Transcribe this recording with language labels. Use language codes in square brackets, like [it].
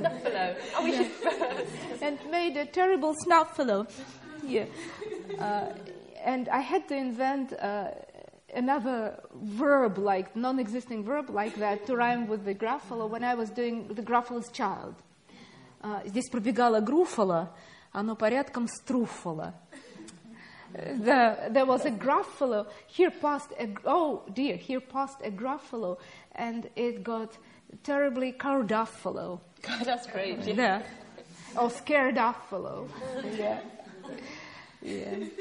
[en] Snuffalo. And made a terrible snuffalo. Yeah. And I had to invent another verb, like non-existing verb like that, to rhyme with the gruffalo when I was doing the gruffalo's child. [ru] Здесь пробегало груфало, оно порядком струфало. [en] There was a gruffalo, here passed a gruffalo, and it got terribly carduffalo. That's great. Yeah. Or scaredaffalo. Yeah.